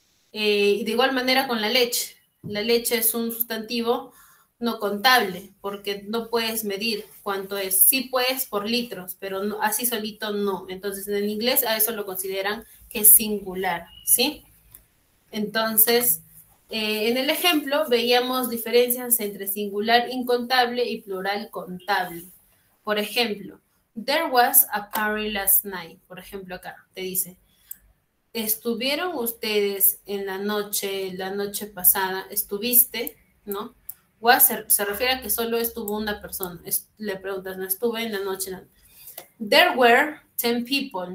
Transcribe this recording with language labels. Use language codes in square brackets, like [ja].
[es] Y de igual manera con la leche. La leche es un sustantivo no contable, porque no puedes medir cuánto es. Sí puedes por litros, pero no, así solito no. Entonces, en el inglés a eso lo consideran que es singular, ¿sí? Entonces, en el ejemplo veíamos diferencias entre singular incontable y plural contable. Por ejemplo, [en] there was a party last night. [es] Por ejemplo, acá te dice, ¿estuvieron ustedes en la noche pasada? ¿Estuviste? ¿No? Was se refiere a que solo estuvo una persona. Le preguntas, ¿no estuve en la noche? [en] There were 10 people.